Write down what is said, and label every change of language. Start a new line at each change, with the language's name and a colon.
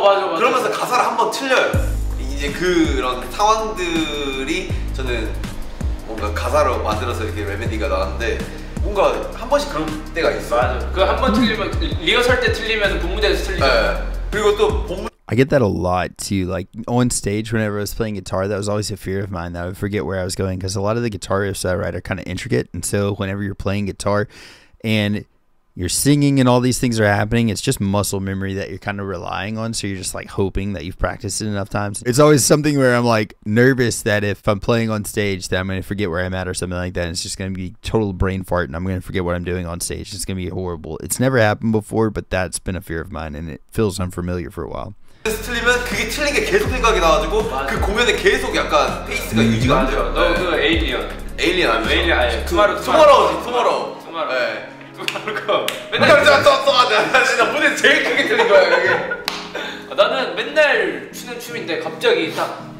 Korean: 맞아. 그러면서 가사를 한번 틀려요. 이제 그런 상황들이 저는 뭔가 가사로 만들어서 이렇게 레메디가 나왔는데. 뭔가 한 번씩 그런 때가 있어. 맞아. 그 한 번 틀리면 리허설 때 틀리면 본무대에서 틀리죠. 네. 그리고 또 본무
English: I get that a lot too. Like on stage, whenever I was playing guitar, that was always a fear of mine that I would forget where I was going because a lot of the guitar riffs I write are kind of intricate. And so whenever you're playing guitar and you're singing and all these things are happening, it's just muscle memory that you're kind of relying on. So you're just like hoping that you've practiced it enough times. It's always something where I'm like nervous that if I'm playing on stage that I'm going to forget where I'm at or something like that. It's just going to be total brain fart and I'm going to forget what I'm doing on stage. It's going to be horrible. It's never happened before, but that's been a fear of mine and it feels unfamiliar for a while.
Korean: 틀리면 그게 틀린 게 계속 생각이 나가지고 그 공연에 계속 약간 페이스가 유지가 안 돼요. 너 그 에일리언. 에일리언 아니죠? 에일리언 아니에요. 투마로우. 투마로우. 네. 투마로우. 맨날 쏘쏘 하자. 진짜 무대 제일 크게 틀린 거야 여기. 나는 맨날 추는 춤인데 갑자기 딱.